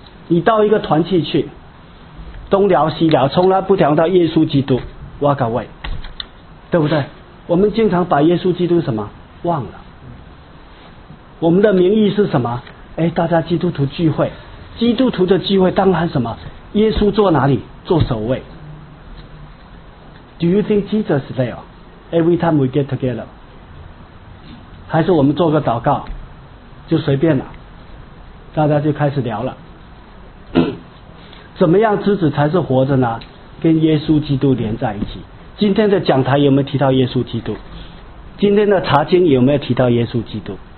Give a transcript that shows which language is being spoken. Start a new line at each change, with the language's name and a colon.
Chinese: 你到一个团契去，东聊西聊，从来不聊到耶稣基督 ，
English: walk away，
Chinese: 对不对？我们经常把耶稣基督什么忘了？我们的名义是什么？哎，大家基督徒聚会，基督徒的聚会当然什么？耶稣坐哪里？坐首位。
English: Do you think Jesus is there every time we get together?
Chinese: 还是我们做个祷告就随便了，大家就开始聊了。怎么样枝子才是活着呢？跟耶稣基督连在一起。今天的讲台有没有提到耶稣基督？今天的查经有没有提到耶稣基督？